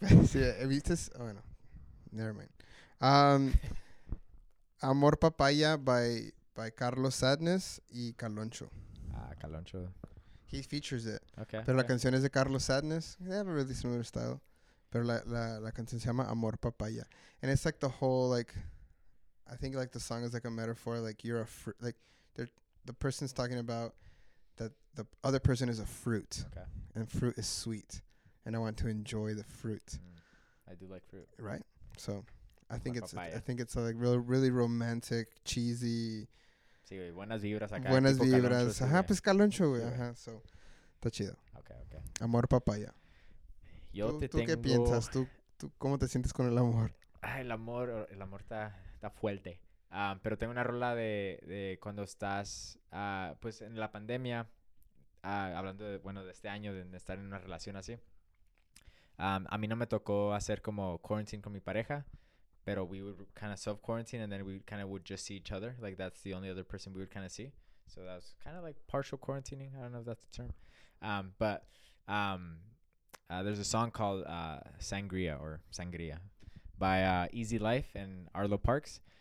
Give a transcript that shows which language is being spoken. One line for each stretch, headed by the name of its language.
Spanish: Sí, ¿viste? Bueno,
English: never mind. Amor Papaya by Carlos Sadness y Caloncho.
Spanish: Ah, Caloncho.
English: He features it. Okay.
Spanish: Pero okay. La canción es de Carlos Sadness.
English: They have a really similar style.
Spanish: Pero la canción se llama
English: Amor Papaya. And it's like the whole, like, I think like the song is like a metaphor, like you're a fruit, like the person's talking about that the other person is a fruit. Okay. And fruit is sweet. And I want to enjoy the fruit. Mm. I do like fruit. Right? So I think it's a like really, really romantic, cheesy.
Spanish: Sí, güey. Buenas vibras acá. Buenas vibras. Ajá, pues Caloncho, güey. Ajá, so. Está chido.
English: Ok.
Spanish: Amor papaya. Yo ¿tú tengo... ¿Tú qué piensas? ¿Tú cómo te sientes con el amor? Ay, el amor está fuerte. Pero tengo una rola de cuando estás, pues, en la pandemia. Hablando, de este año, de estar en una relación así. A mí no me tocó hacer como quarantine con mi pareja.
English: Pero we would kind of self-quarantine and then we kind of would just see each other. Like, that's the only other person we would kind of see. So that was kind of like partial quarantining. I don't know if that's the term. There's a song called Sangria by Easy Life and Arlo Parks.